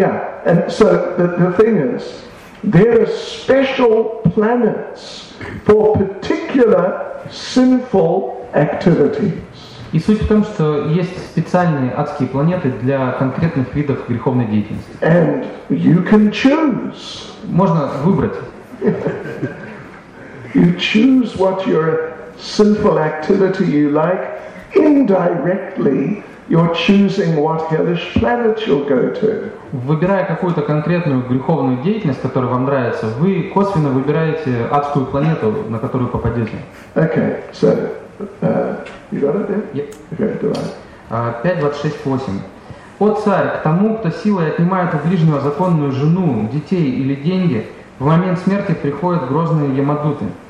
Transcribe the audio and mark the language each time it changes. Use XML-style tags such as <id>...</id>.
<en>Yeah, and so the thing is, there are special planets for particular sinful activities.</en> <ru>И суть в том, что есть специальные адские планеты для конкретных видов греховной деятельности.</ru> <en>And you can choose.</en> <ru>Можно выбрать.</ru> <en>You choose what your sinful activity you like indirectly You're choosing what hellish planet you'll go to.</en> <ru>Выбирая какую-то конкретную греховную деятельность, которая вам нравится, вы косвенно выбираете адскую планету, на которую попадете.</ru> <en>Okay, so you got it there? Yep.</en> <ru>Okay, давай. 5:26-8. «О царь, к тому, кто силой отнимает у ближнего законную жену, детей или деньги, в момент смерти приходят грозные ямадуты.</ru>